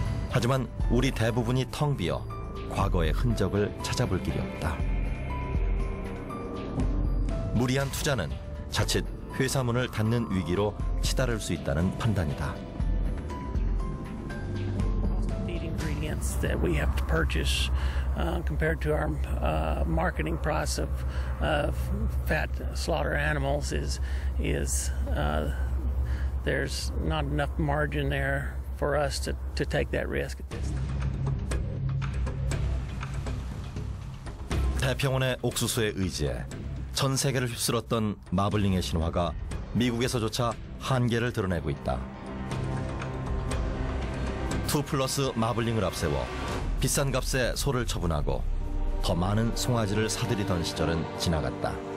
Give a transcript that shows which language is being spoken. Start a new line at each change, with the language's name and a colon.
Korean: 하지만 우리 대부분이 텅 비어 과거의 흔적을 찾아볼 길이 없다. 무리한 투자는 자칫 회사 문을 닫는 위기로 치달을 수 있다는 판단이다.
English: That we have to purchase compared to our marketing price of fat slaughter animals is there's not enough margin there for us to take that risk.
Korean: 태평원의 옥수수에 의지해 전 세계를 휩쓸었던 마블링의 신화가 미국에서조차 한계를 드러내고 있다. 2 플러스 마블링을 앞세워 비싼 값에 소를 처분하고 더 많은 송아지를 사들이던 시절은 지나갔다.